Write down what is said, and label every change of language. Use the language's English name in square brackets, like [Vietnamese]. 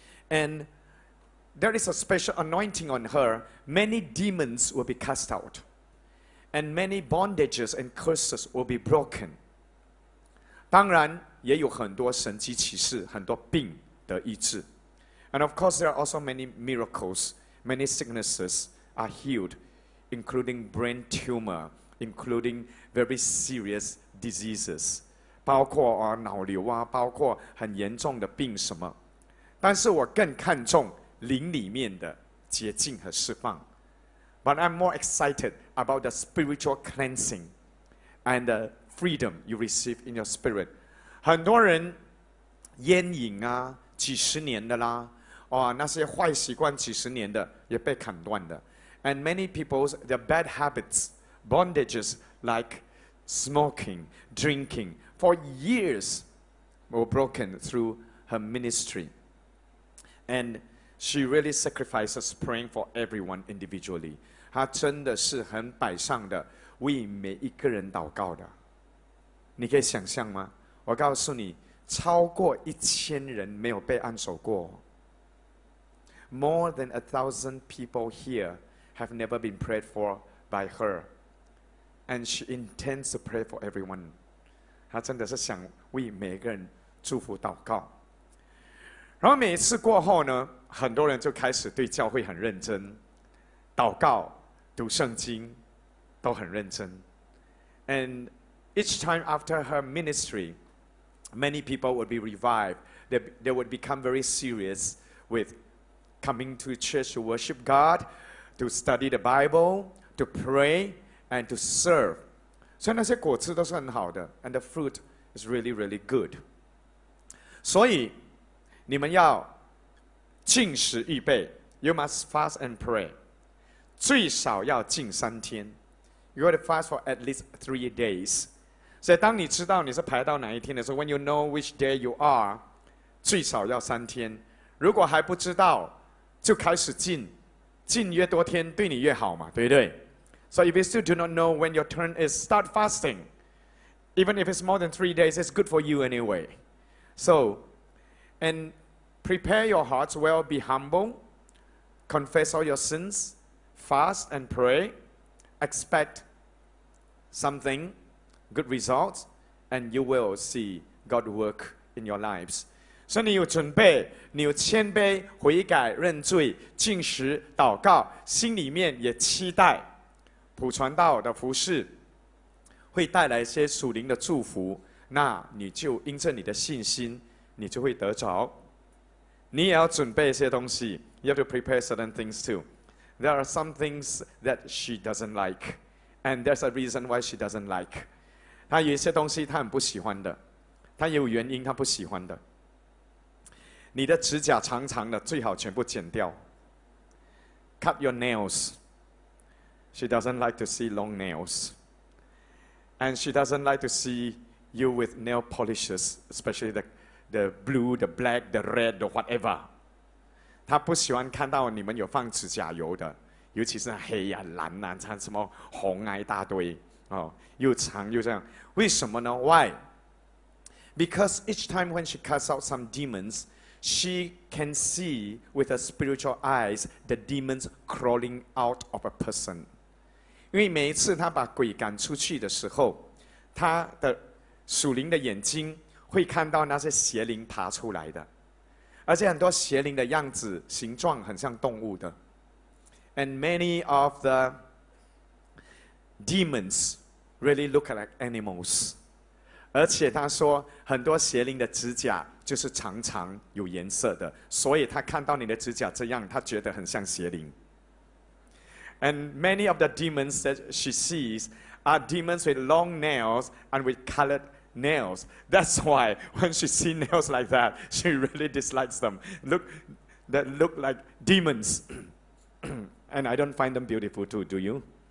[English] And there is a special anointing on her. Many demons will be cast out. And many bondages and curses will be broken. [Chinese] 当然也有很多神迹奇事，很多病得医治。 [English] And of course, there are also many miracles. Many sicknesses are healed, including brain tumor, including very serious diseases. [Chinese] 包括啊脑瘤啊，包括很严重的病什么。但是我更看重灵里面的洁净和释放。 [English] But I'm more excited about the spiritual cleansing and the freedom you receive in your spirit. [Chinese] 很多人烟瘾啊，几十年的啦，哦，那些坏习惯几十年的也被砍断的。 [English] And many people's their bad habits, bondages like smoking, drinking for years were broken through her ministry. And she really sacrifices praying for everyone individually. [Chinese] 他真的是很摆上的为每一个人祷告的，你可以想象吗？我告诉你，超过1000人没有被按手过。 [English] More than 1,000 people here have never been prayed for by her, and she intends to pray for everyone. [Chinese] 他真的是想为每个人祝福祷告。然后每一次过后呢，很多人就开始对教会很认真，祷告。读圣经都很认真。 [English] And each time after her ministry, many people would be revived. They would become very serious with coming to church to worship God, to study the Bible, to pray, and to serve. [Chinese] 所以那些果子都是很好的， [English] and the fruit is really, really good. [Chinese] 所以你们要禁食预备， [English] you must fast and pray. [Chinese] 最少要禁3天 [English] You have to fast for at least 3 days. [Chinese] 所以当你知道你是排到哪一天的时候 [English] When you know which day you are, [Chinese] 最少要3天。如果还不知道就开始禁，禁越多天对你越好嘛，对不对？ [English] So if you still do not know when your turn is, start fasting. Even if it's more than 3 days, it's good for you anyway. So, and prepare your hearts well, be humble, confess all your sins,Fast and pray, expect something, good results, and you will see God work in your lives. [Chinese] 所以你有准备，你有谦卑、悔改、认罪、禁食、祷告，心里面也期待普传道的服事会带来一些属灵的祝福，那你就因着你的信心，你就会得着。你也要准备一些东西， [English] you have to prepare certain things too. There are some things that she doesn't like, and there's a reason why she doesn't like. [Chinese] 她有一些东西她很不喜欢的，她有原因她不喜欢的。你的指甲长长的，最好全部剪掉。 [English] Cut your nails. She doesn't like to see long nails, and she doesn't like to see you with nail polishes, especially the blue, the black, the red, the whatever. [Chinese] 他不喜欢看到你们有放指甲油的，尤其是黑啊、蓝啊、什么红啊一大堆，哦，又长又这样。为什么呢 ？ [English] Why? Because each time when she casts out some demons, she can see with her spiritual eyes the demons crawling out of a person. [Chinese] 因为每一次她把鬼赶出去的时候，她的属灵的眼睛会看到那些邪灵爬出来的。而且很多邪灵的样子形状很像动物的。 [English] And many of the demons really look like animals. [Chinese] 而且他说很多邪灵的指甲就是长长有颜色的，所以他看到你的指甲这样，他觉得很像邪灵。 [English] And many of the demons that she sees are demons with long nails and with coloredNails. That's why when she sees nails like that, she really dislikes them. Look, that look like demons. And I don't find them beautiful too, do you?